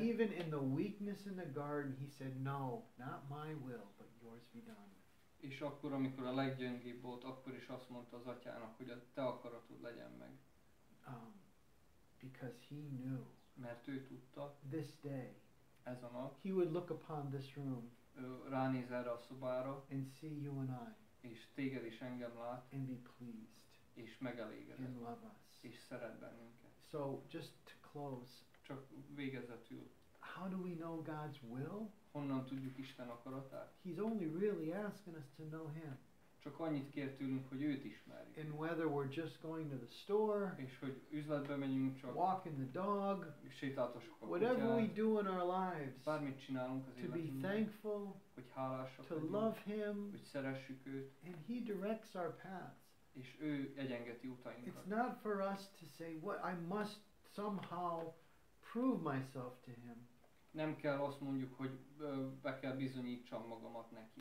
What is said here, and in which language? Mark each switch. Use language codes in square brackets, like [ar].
[en] Even in the weakness in the garden, he said, no, not my will, but yours be done. [hu] És akkor, amikor a leggyöngébb volt, akkor is azt mondta az atyának, hogy a te akaratod legyen meg. [en] Because he knew. [hu] Mert ő tudta. [en] This day. [hu] Ez a nap. [en] He would look upon this room. [hu] Ránéz erre a szobára. [en] And see you and I. [hu] És téged is engem lát. [en] And be pleased. [hu] És megelégedett. [en] And love us. [hu] És szeret bennünket. [en] So, just to close. [hu] Csak végezetül. [en] How do we know God's will? [hu] Honnan tudjuk Isten akaratát? [en] He's only really asking us to know him. [hu] Csak annyit kér tőlünk, hogy őt ismerjük. [en] And whether we're just going to the store. [hu] És hogy üzletbe menjünk csak. [en] Walking the dog. [hu] Sétáltassuk a kutyát. [en] Whatever we do in our lives. [hu] Bármit csinálunk az életünkben. [en] To be thankful. [hu] Hogy hálásak legyünk. [en] To love him. [hu] Hogy szeressük őt. [en] And he directs our paths. [hu] és ő egyengeti utainkat. [en] It's not for us to say what I must somehow prove myself to him. [hu] Nem kell azt mondjuk, hogy be kell bizonyítsam magamat neki.